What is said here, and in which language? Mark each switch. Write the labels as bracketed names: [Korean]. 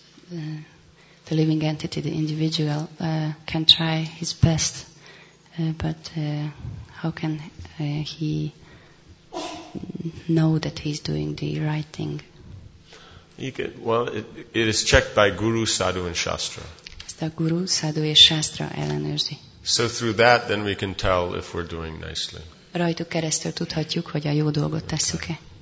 [English] the living entity, the individual, can try his best, but how can he know that he's doing the right thing? It is checked by Guru, Sadhu, and Shastra. [Hungarian] Ezt a Guru, Sadhu és Shastra ellenőrzi. [English] So through that, then we can tell if we're doing nicely. [Hungarian] Rajtuk keresztül tudhatjuk, hogy a jó dolgot tesszük-e.